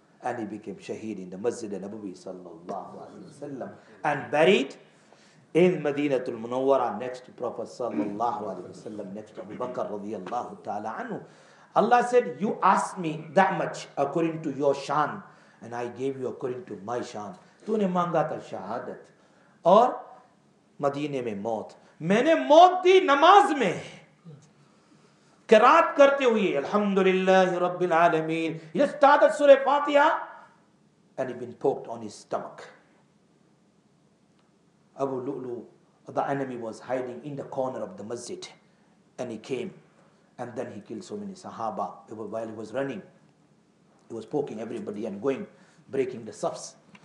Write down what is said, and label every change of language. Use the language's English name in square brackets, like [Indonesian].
[English] And he became shaheed in the Masjid al-Nabawi sallallahu alayhi wa sallam, and buried in Madinatul Munawwara next to Prophet sallallahu alayhi wa sallam, next to Abu Bakr radiallahu ta'ala anhu. Allah said, you asked me that much according to your shan, and I gave you according to my shan. [Urdu] Tune mangata shahadat. اور مدینے میں موت. میں نے موت دی نماز میں قرات کرتے ہوئے [Arabic] الحمدللہ رب العالمین. [English] He started سورہ فاتحہ and he'd been poked on his stomach. Abu Lulu, the enemy was hiding in the corner of the masjid and he came and then he killed so many sahaba. While he was running, he was poking everybody and going, breaking the safs.